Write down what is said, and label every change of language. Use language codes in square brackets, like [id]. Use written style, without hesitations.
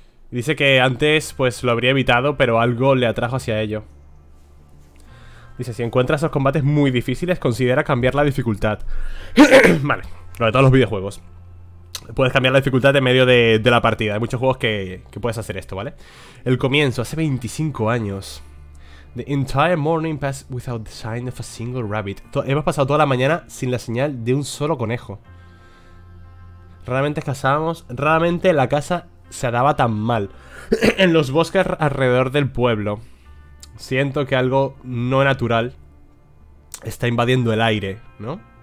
[es] Dice que antes, pues, lo habría evitado, pero algo le atrajo hacia ello. Dice, si encuentras esos combates muy difíciles, considera cambiar la dificultad. Vale, lo de todos los videojuegos. Puedes cambiar la dificultad en medio de la partida. Hay muchos juegos que puedes hacer esto, ¿vale? El comienzo, hace 25 años. [en] The entire morning passed without the sign of a single rabbit. [es] Hemos pasado toda la mañana sin la señal de un solo conejo. Raramente cazábamos. Raramente la caza se daba tan mal. En los bosques alrededor del pueblo. Siento que algo no natural está invadiendo el aire, ¿no?